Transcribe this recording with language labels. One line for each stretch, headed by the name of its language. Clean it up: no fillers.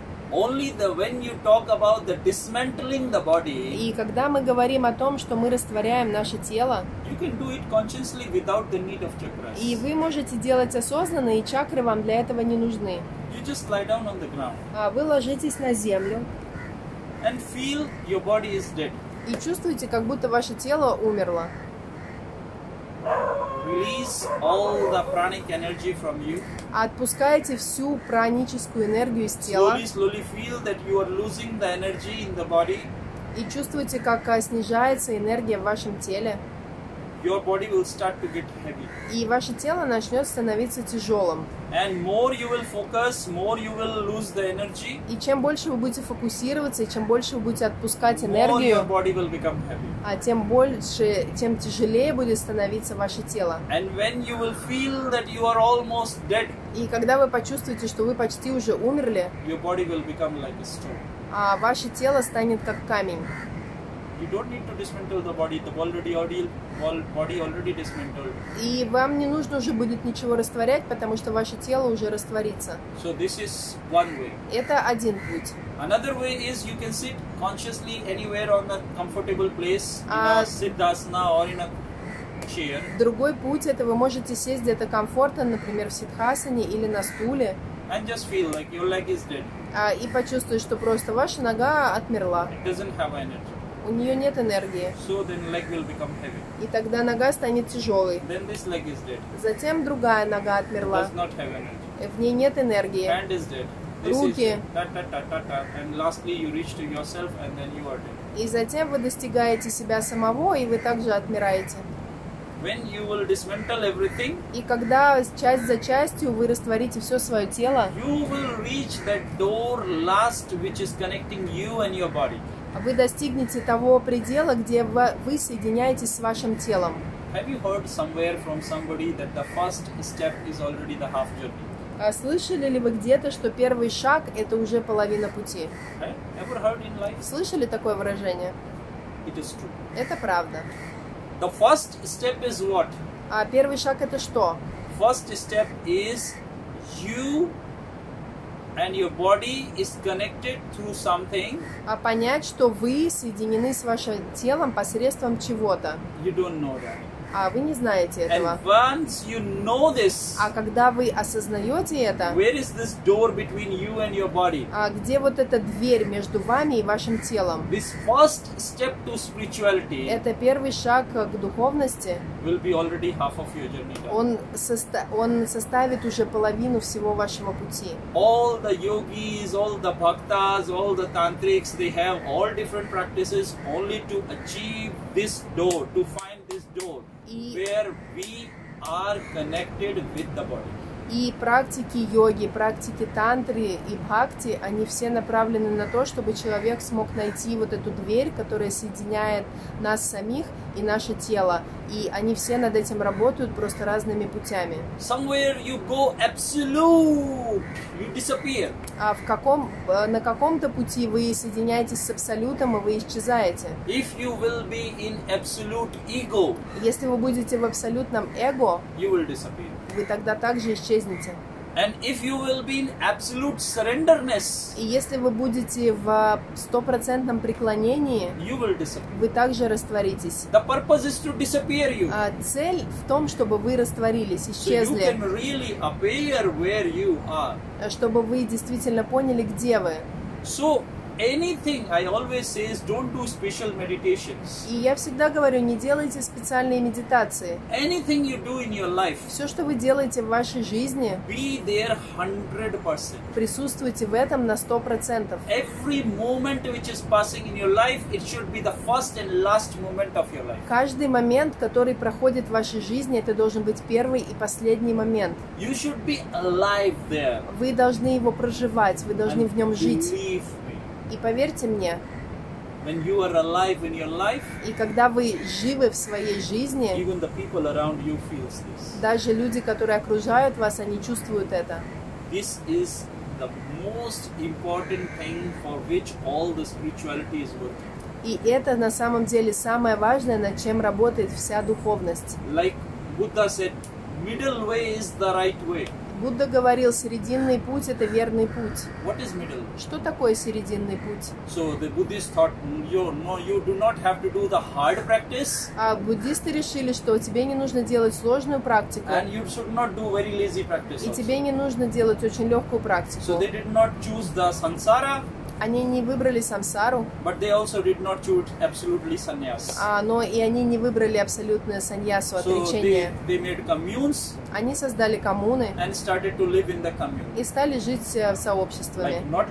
English: Only the when you talk about the dismantling the body.
Russian: И когда мы говорим о том, что мы растворяем наше тело.
English: You can do it consciously without the need of chakras.
Russian: И вы можете делать осознанно, и чакры вам для этого не нужны.
English: You just lie down on the ground.
Russian: А вы ложитесь на землю.
English: And feel your body is dead.
Russian: И чувствуете, как будто ваше тело умерло.
English: Release all the pranic energy from you.
Russian: Отпускаете всю праническую энергию из тела.
English: Slowly, slowly feel that you are losing the energy in the body.
Russian: И чувствуете, как снижается энергия в вашем теле.
English: Your body will start to get heavy.
Russian: И ваше тело начнет становиться тяжелым.
English: And more you will focus, more you will lose the energy.
Russian: И чем больше вы будете фокусироваться, и чем больше вы будете отпускать энергию,
English: more your body will become heavy.
Russian: А тем больше, тем тяжелее будет становиться ваше тело.
English: And when you will feel that you are almost dead.
Russian: И когда вы почувствуете, что вы почти уже умерли,
English: your body will become like a stone.
Russian: А ваше тело станет как камень.
English: You don't need to dismantle the body. The body already dismantled.
Russian: И вам не нужно уже будет ничего растворять, потому что ваше тело уже растворится.
English: So this is one way.
Russian: Это один путь.
English: Another way is you can sit consciously anywhere on a comfortable place, in a siddhasana or in a chair.
Russian: Другой путь это вы можете сесть где-то комфортно, например, в сиддхасане или на стуле.
English: And just feel like your leg is dead.
Russian: И почувствуешь, что просто ваша нога отмерла.
English: It doesn't have energy.
Russian: У нее нет энергии.
English: So then leg will become heavy.
Russian: И тогда нога станет тяжелой.
English: Then this leg is dead.
Russian: Затем другая нога отмерла.
English: Does not have energy.
Russian: В ней нет энергии.
English: Hand is dead.
Russian: Руки.
English: And lastly you reach to yourself and then you are dead.
Russian: И затем вы достигаете себя самого, и вы также отмираете.
English: When you will dismantle everything,
Russian: и когда часть за частью вы растворите все свое тело,
English: you will reach that door last which is connecting you and your body.
Russian: Вы достигнете того предела, где вы соединяетесь с вашим телом.
English: Have you heard somewhere from somebody that the first step is already the half journey?
Russian: Слышали ли вы где-то, что первый шаг это уже половина пути?
English: Ever heard in life?
Russian: Слышали такое выражение?
English: It is true.
Russian: Это правда.
English: The first step is what?
Russian: А первый шаг это что?
English: First step is you. And your body is connected through something.
Russian: А понять, что вы соединены с вашим телом посредством чего-то.
English: You don't know that.
Russian: а вы не знаете этого.
English: And once you know this,
Russian: а когда вы осознаете это,
English: where is this door between you and your body?
Russian: А где вот эта дверь между вами и вашим телом?
English: This first step to spirituality,
Russian: это первый шаг к духовности,
English: will be already half of your journey.
Russian: Он составит уже половину всего вашего пути.
English: All the yogis, all the bhaktas, all the tantrics, they have all different practices only to achieve this door, to find this door, where we are connected with the body.
Russian: И практики йоги, практики тантры и бхакти, они все направлены на то, чтобы человек смог найти вот эту дверь, которая соединяет нас самих и наше тело. И они все над этим работают просто разными путями.
English: Somewhere you go absolute, you disappear.
Russian: А в каком, на каком-то пути вы соединяетесь с абсолютом, и вы исчезаете.
English: If you will be in absolute ego,
Russian: если вы будете в абсолютном эго,
English: you will disappear.
Russian: Вы тогда также исчезнете.
English: And if you will be in absolute surrenderness,
Russian: и если вы будете в 100% преклонении,
English: you will disappear.
Russian: Вы также растворитесь.
English: The purpose is to disappear you.
Russian: А цель в том, чтобы вы растворились, исчезли.
English: So you can really appear where you are.
Russian: Чтобы вы действительно поняли, где вы.
English: So anything I always say is don't do special meditations.
Russian: И я всегда говорю, не делайте специальные медитации.
English: Anything you do in your life,
Russian: все, что вы делаете в вашей жизни,
English: be there 100%.
Russian: Присутствуйте в этом на 100%.
English: Every moment which is passing in your life, it should be the first and last moment of your life.
Russian: Каждый момент, который проходит в вашей жизни, это должен быть первый и последний момент.
English: You should be alive there.
Russian: Вы должны его проживать, вы должны в нем жить. И поверьте мне,
English: when you are alive in your life,
Russian: и когда вы живы в своей жизни,
English: even the people around you feels this.
Russian: Даже люди, которые окружают вас, они чувствуют это.
English: This is the most important thing for which all the spirituality is working.
Russian: И это на самом деле самое важное, над чем работает вся духовность.
English: Like Buddha said, middle way is the right way.
Russian: Будда говорил, срединный путь — это верный путь.
English: What is middle?
Russian: Что такое срединный путь?
English: So the Buddhists thought, you do not have to do the hard practice.
Russian: А буддисты решили, что тебе не нужно делать сложную практику.
English: And you should not do very lazy practice.
Russian: И тебе не нужно делать очень легкую практику.
English: So they did not choose the samsara.
Russian: Они не выбрали самсару.
English: But they also did not choose absolutely sannyas.
Russian: А, но и они не выбрали абсолютное саньясу, отречение.
English: So they made communes.
Russian: Они создали коммуны
English: and started to live in the commune.
Russian: И стали жить в сообществе.